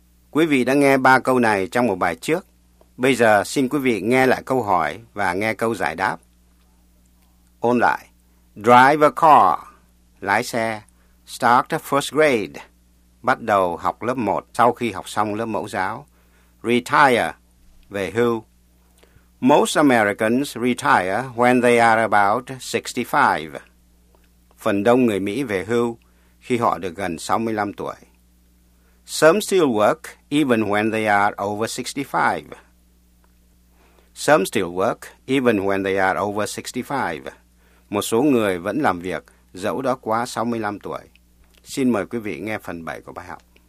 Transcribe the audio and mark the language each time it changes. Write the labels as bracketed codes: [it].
[vi] Quý vị đã nghe ba câu này trong một bài trước. Bây giờ xin quý vị nghe lại câu hỏi và nghe câu giải đáp. Ôn lại. [en] Drive a car. [vi] Lái xe. [en] Start the first grade. [vi] Bắt đầu học lớp 1 sau khi học xong lớp mẫu giáo. Retire. Về hưu. [en] Most Americans retire when they are about 65. [vi] Phần đông người Mỹ về hưu khi họ được gần 65 tuổi. [en] Some still work even when they are over 65. Some still work even when they are over 65. [vi] Một số người vẫn làm việc dẫu đã quá 65 tuổi. Xin mời quý vị nghe phần 7 của bài học.